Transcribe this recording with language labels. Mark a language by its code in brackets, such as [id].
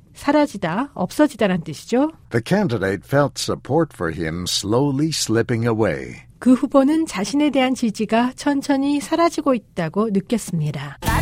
[ko] 사라지다, 없어지다란 뜻이죠. [en] The candidate felt support for him slowly slipping away. [ko] 그 후보는 자신에 대한 지지가 천천히 사라지고 있다고 느꼈습니다.